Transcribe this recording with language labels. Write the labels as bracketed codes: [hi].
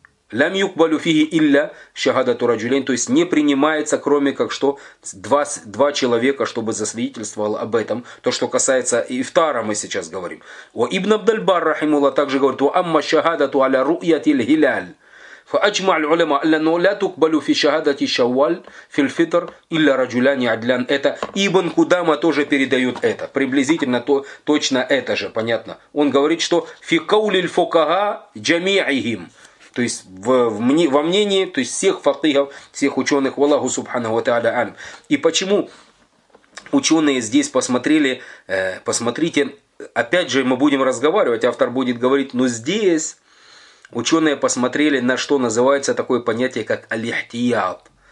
[ar] «Лям юкбалю фиги илля шахадату раджулейн». [ru] То есть не принимается, кроме как что, два человека, чтобы засвидетельствовал об этом. То, что касается ифтара, мы сейчас говорим. «Ва ибн Абдальбар, рахимулла, также говорит, [ar] «Ва амма шахадату аля руйяти лхиляль». فأجمع العلماء أن لا تقبل في شهادة شوال في الفطر إلا رجلان عدلان. [ru] Это Ибн Кудама тоже передают это. Приблизительно то, точно это же, понятно. Он говорит, что [ar] في قول الفقهاء جميعهم. [ru] То есть во мнении, то есть всех фатихов, всех ученых, Аллаху субханаху ва тааля алим. И почему ученые здесь посмотрели, посмотрите, опять же мы будем разговаривать, автор будет говорить, но здесь ученые посмотрели на что называется такое понятие, как аль-ихтияд.